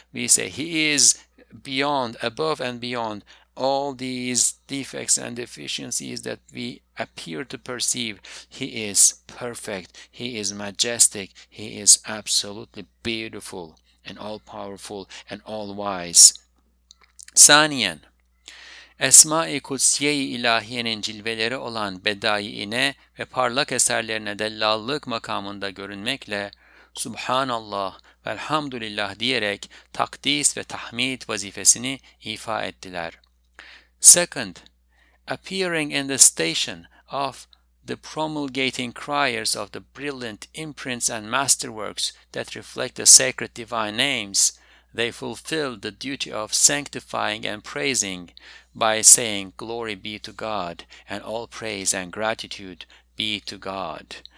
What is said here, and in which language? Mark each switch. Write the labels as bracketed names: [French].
[English] We say He is beyond, above and beyond all these defects and deficiencies that we appear to perceive. He is perfect, He is majestic, He is absolutely beautiful and all-powerful and all-wise. [Turkish] Saniyen, Esma-i Kutsiye-i İlahiyenin cilveleri olan Bedai'ine ve parlak eserlerine dellallık makamında görünmekle Subhanallah ve Elhamdülillah diyerek takdis ve tahmid vazifesini ifa ettiler. [English] Second, appearing in the station of the promulgating criers of the brilliant imprints and masterworks that reflect the sacred divine names, they fulfilled the duty of sanctifying and praising by saying, Glory be to God, and all praise and gratitude be to God.